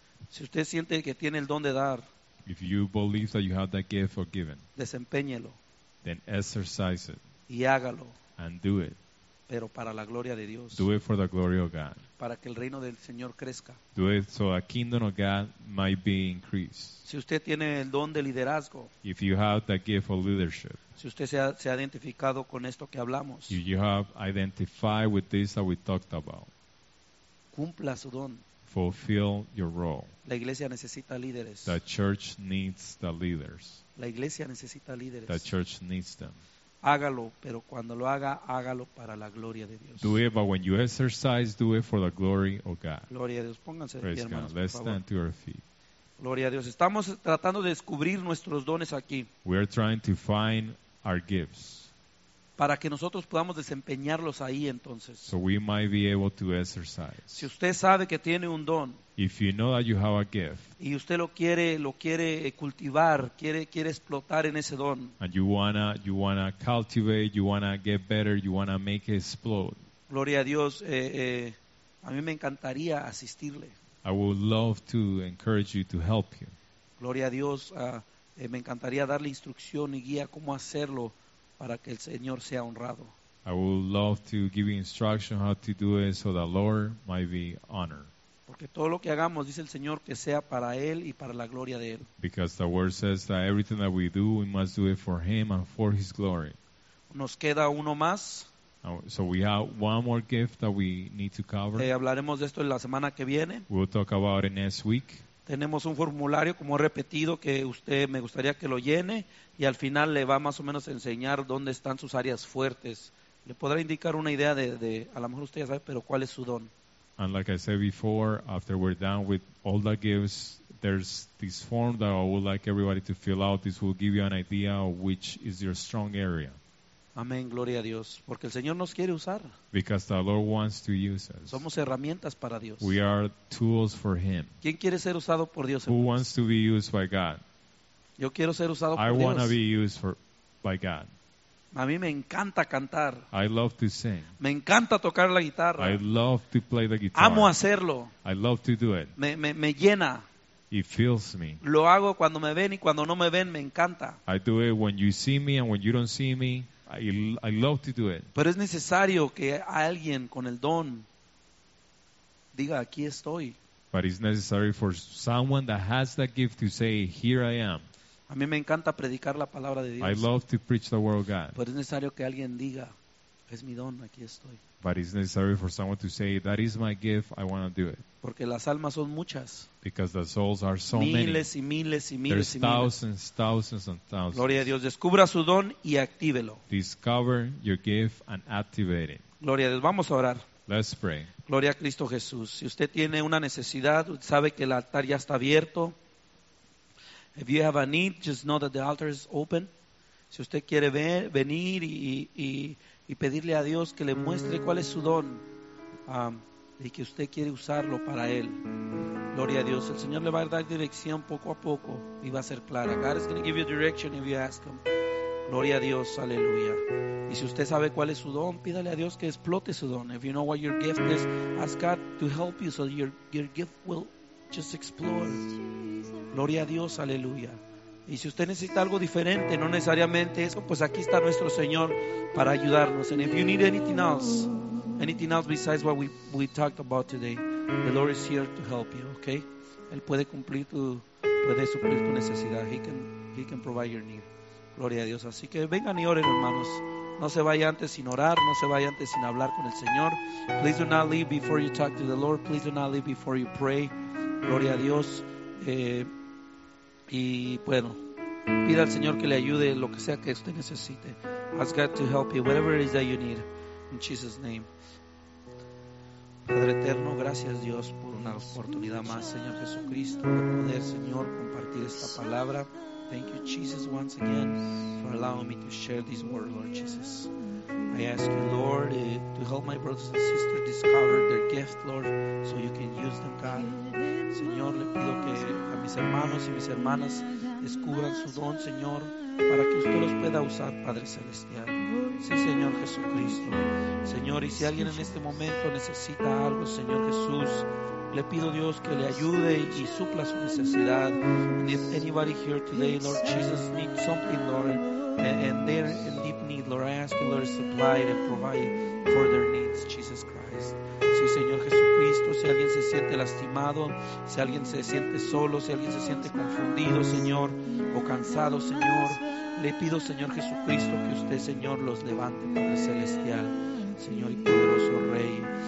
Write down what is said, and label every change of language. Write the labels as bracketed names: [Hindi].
[Spanish] Si usted siente que tiene el don de dar, [English] if you believe that you have that gift of giving, [Spanish] desempéñelo. [English] Then exercise it. [Spanish] Y hágalo. [English] And do it. [Spanish] Pero para la gloria de Dios. [English] Do it for the glory of God. [Spanish] Para que el reino del Señor crezca. [English] Do it so a kingdom of God might be increased. [Spanish] Si usted tiene el don de liderazgo. [English] If you have the gift of leadership. [Spanish] Si usted se ha identificado con esto que hablamos. [English] If you have identified with this that we talked about. [Spanish] Cumpla su don. [English] Fulfill your role. [Spanish] La iglesia necesita líderes. [English] The church needs the leaders. [Spanish] La iglesia necesita líderes. [English] The church needs them. [Spanish] Hágalo, pero cuando lo haga, hágalo para la gloria de Dios. [English] Do it, but when you exercise, do it for the glory of God. [Spanish] Gloria a Dios. Pónganse de pie, hermanos, por favor. [English] Stand to your feet. [Spanish] Gloria a Dios. Estamos tratando de descubrir nuestros dones aquí. [English] We are trying to find our gifts. [Spanish] Para que nosotros podamos desempeñarlos ahí, entonces. [English] So we might be able to exercise. [Spanish] Si usted sabe que tiene un don. [English] If you know that you have a gift. [Spanish] Y usted lo quiere cultivar, quiere explotar en ese don. [English] And you wanna cultivate, you wanna get better, you wanna make it explode. [Spanish] Gloria a Dios, a mí me encantaría asistirle. [English] I would love to encourage you to help you. [Spanish] Gloria a Dios, me encantaría darle instrucción y guía cómo hacerlo. Para que el Señor sea honrado. [English] I would love to give you instruction how to do it so the Lord might be honored. [Spanish] Porque todo lo que hagamos dice el Señor que sea para él y para la gloria de él. [English] Because the word says that everything that we do we must do it for him and for his glory. [Spanish] Nos queda uno más. [English] So we have one more gift that we need to cover. [Spanish] Hablaremos de esto en la semana que viene. [English] We'll talk about it next week. [Spanish] Tenemos un formulario, como he repetido, que usted me gustaría que lo llene y al final le va más o menos a enseñar dónde están sus áreas fuertes. Le podrá indicar una idea de a lo mejor usted ya sabe, pero cuál es su don. [English] And like I said before, after we're done with all the gifts, there's this form that I would like everybody to fill out. This will give you an idea of which is your strong area. [Spanish] Amén, gloria a Dios. Porque el Señor nos quiere usar. [English] Because the Lord wants to use us. [Spanish] Somos herramientas para Dios. [English] We are tools for Him. [Spanish] ¿Quién quiere ser usado por Dios? [English] Who wants to be used by God? [Spanish] Yo quiero ser usado por Dios. [English] I want to be used by God. [Spanish] A mí me encanta cantar. [English] I love to sing. [Spanish] Me encanta tocar la guitarra. [English] I love to play the guitar. [Spanish] Amo hacerlo. [English] I love to do it. [Spanish] Me llena. [English] It fills me. [Spanish] Lo hago cuando me ven y cuando no me ven, me encanta. [English] I do it when you see me and when you don't see me. I love to do it. [Spanish] Pero es necesario que alguien con el don diga, aquí estoy. [English] But it's necessary for someone that has that gift to say, here I am. [Spanish] A mí me encanta predicar la palabra de Dios. [English] I love to preach the word of God. [Spanish] Pero es necesario que alguien diga, es mi don, aquí estoy. [English] But it's necessary for someone to say, that is my gift, I want to do it. [Spanish] Porque las almas son muchas. [English] Because the souls are so [Spanish] miles [English] many. [Spanish] Miles y miles y miles [English] There's [Spanish] y [English] thousands, [Spanish] miles. [English] Thousands and thousands. [Spanish] Gloria a Dios. Descubra su don y actívelo. [English] Discover your gift and activate it. [Spanish] Gloria a Dios. Vamos a orar. [English] Let's pray. [Spanish] Gloria a Cristo Jesús. Si usted tiene una necesidad, sabe que el altar ya está abierto. [English] If you have a need, just know that the altar is open. [Spanish] Si usted quiere venir y pedirle a Dios que le muestre cuál es su don. Y que usted quiere usarlo para él. Gloria a Dios. El Señor le va a dar dirección poco a poco y va a ser clara. [English] God is going to give you direction if you ask him. [Spanish] Gloria a Dios. Aleluya. Y si usted sabe cuál es su don, pídale a Dios que explote su don. [English] If you know what your gift is, ask God to help you so your gift will just explode. [Spanish] Gloria a Dios. Aleluya. [English] Y si usted necesita algo diferente, no necesariamente eso, pues aquí está nuestro Señor para ayudarnos. And if you need anything else besides what we talked about today, the Lord is here to help you, okay? [Spanish] Él puede cumplir tu, puede suplir tu necesidad. [English] He can provide your need. [Spanish] Gloria a Dios. Así que vengan y oren, hermanos. No se vaya antes sin orar, no se vaya antes sin hablar con el Señor. [English] Please do not leave before you talk to the Lord. Please do not leave before you pray. [Spanish] Gloria a Dios. Y bueno, pida al Señor que le ayude lo que sea que usted necesite. [English] Ask God to help you, whatever it is that you need, in Jesus' name. [Spanish] Padre eterno, gracias Dios por una oportunidad más, Señor Jesucristo, de poder, Señor, compartir esta palabra. [English] Thank you, Jesus, once again, for allowing me to share this word, Lord Jesus. I ask you, Lord, to help my brothers and sisters discover their gift, Lord, so you can use them, God. [Spanish] Señor, le pido que a mis hermanos y mis hermanas descubran su don, Señor, para que usted los pueda usar, Padre Celestial. Sí, Señor Jesucristo. Señor, y si alguien en este momento necesita algo, Señor Jesús, le pido, Dios, que le ayude y supla su necesidad. [English] And if anybody here today, Lord Jesus, needs something, Lord, and they're in deep need, Lord, I ask you, Lord, supply it and provide for their needs, Jesus Christ. [Spanish] Sí, Señor Jesucristo, si alguien se siente lastimado, si alguien se siente solo, si alguien se siente confundido, Señor, o cansado, Señor, le pido, Señor Jesucristo, que usted, Señor, los levante, Padre Celestial, Señor y poderoso Rey.